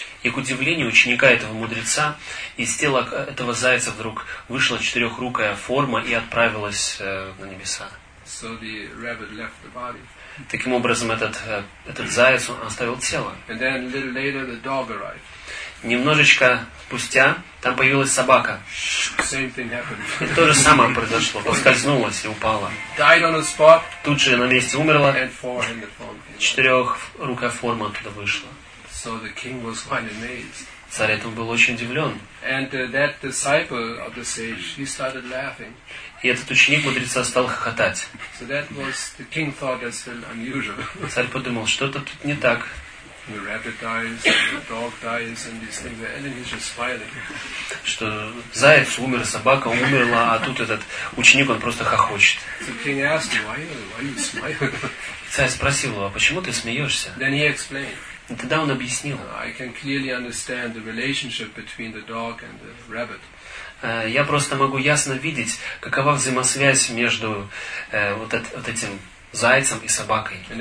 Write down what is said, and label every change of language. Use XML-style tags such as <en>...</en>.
<ru>И к удивлению ученика этого мудреца, из тела этого зайца вдруг вышла четырехрукая форма и отправилась на небеса.</ru> <en>So the rabbit left the body.</en> <ru>Таким образом, этот заяц оставил тело.</ru> <en>And then a little later, the dog arrived.</en> <ru>Немножечко спустя там появилась собака.</ru> <en>Same thing happened.</en> <ru>И то же самое произошло. Поскользнулась и упала.</ru> <en>Died on the spot,</en> <ru>тут же на месте умерла.</ru> <en>And four-handed form.</en> <ru>Четырехрукая форма оттуда вышла.</ru> <en>So the king was quite amazed.</en> <ru>Царь этому был очень удивлен.</ru> <en>And that disciple of the sage, he started laughing.</en> <ru>И этот ученик мудреца стал хохотать.</ru> <en>So that was, the king thought that's a little unusual.</en> <ru>Царь подумал, что-то тут не так.</ru> <en>The rabbit dies, the dog dies, and these things, and then he's just smiling.</en> <ru>Что заяц умер, собака умерла, а тут этот ученик, он просто хохочет.</ru> <en>The king asked him, why are you smiling?</en> <ru>Царь спросил его, а почему ты смеешься?</ru> <en>Then he explained.</en> <ru>И тогда он объяснил.</ru> <en>I can clearly understand the relationship between the dog and the rabbit.</en> <ru>Я просто могу ясно видеть, какова взаимосвязь между вот этим зайцем и собакой.</ru>